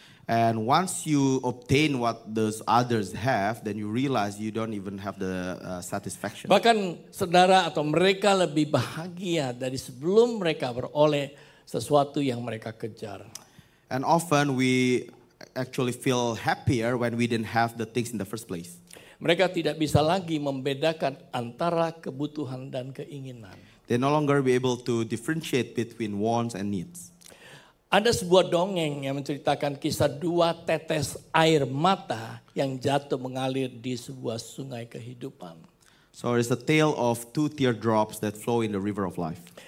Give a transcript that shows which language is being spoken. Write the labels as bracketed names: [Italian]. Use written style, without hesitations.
[English] And once you obtain what those others have, then you realize you don't even have the satisfaction. [Indonesian] Bahkan saudara atau mereka lebih bahagia dari sebelum mereka beroleh sesuatu yang mereka kejar. [English] And often we actually feel happier when we didn't have the things in the first place. [Indonesian] Mereka tidak bisa lagi membedakan antara kebutuhan dan keinginan. [English] They no longer be able to differentiate between wants and needs. [Indonesian] Ada sebuah dongeng yang menceritakan kisah dua tetes air mata yang jatuh mengalir di sebuah sungai kehidupan. [English] So it's a tale of two teardrops that flow in the river of life.